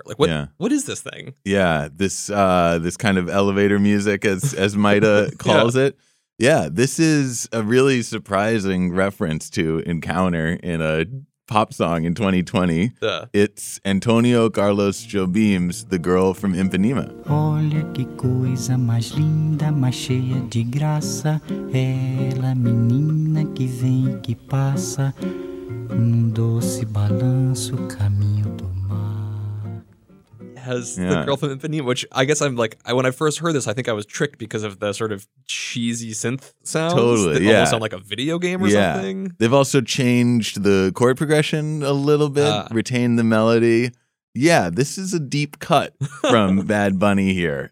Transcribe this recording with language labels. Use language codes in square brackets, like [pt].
[en] Like, what is this thing? Yeah, this kind of elevator music, as Maida calls it. Yeah, this is a really surprising reference to encounter in a pop song in 2020. It's Antonio Carlos Jobim's The Girl from Ipanema. [pt] Olha que coisa mais linda, mais cheia de graça. Ela, menina que vem e que passa. Doce balanço, caminho do mar. [en] Has The Girl from Ipanema, which I guess I'm like, when I first heard this, I think I was tricked because of the sort of cheesy synth sounds. Totally, that almost sound like a video game or something. They've also changed the chord progression a little bit, retained the melody. Yeah, this is a deep cut from Bad Bunny here.